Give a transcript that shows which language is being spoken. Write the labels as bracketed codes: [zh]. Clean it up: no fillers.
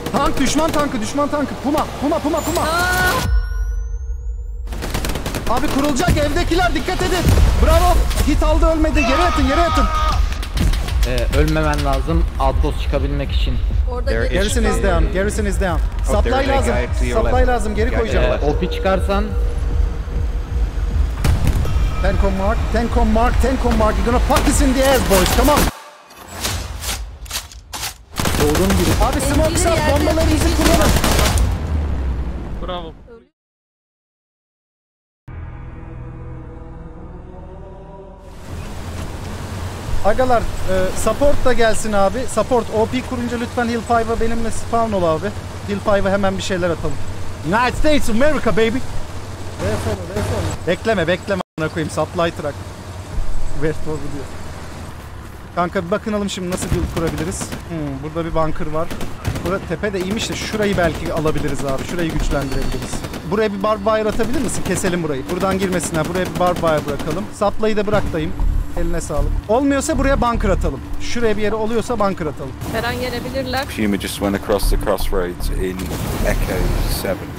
[tr] Tank, düşman tankı, düşman tankı. Puma, puma, puma, puma. Abi kurulacak, evdekiler dikkat edin. Bravo, hit aldı, ölmedi. Geri atın, geri atın. Ölmemen lazım outpost çıkabilmek için. [en] Garrison is down, garrison is down. [tr] Supply lazım, supply lazım, geri koyacağım. OP çıkarsan. [en] Tank on mark, tank on mark, tank on mark. You're gonna pop this in the air, boys, come on. [tr] Doğdum gibi. Abi smoke sat, bombaları bizim kullanın. Bravo. Agalar, support da gelsin abi. Support, OP kurunca lütfen Hill 5'a benimle spawn ol abi. Hill 5'a hemen bir şeyler atalım. [en] United States of America, baby! [tr] Beyefendi. Bekleme, bekleme. Ana koyayım, supply truck. West Wall gidiyor. Kanka bir bakınalım şimdi nasıl build kurabiliriz. Burada bir bunker var. Burada tepe de iyiymiş de şurayı belki alabiliriz abi. Şurayı güçlendirebiliriz. Buraya bir barbed wire atabilir misin? Keselim burayı. Buradan girmesinler. Buraya bir barbed wire bırakalım. Supply'ı da bıraktayım. Eline sağlık. Olmuyorsa buraya bunker atalım. Şuraya bir yere oluyorsa bunker atalım. Her an gelebilirler. [en] Puma just went across the crossroads in Echo 7.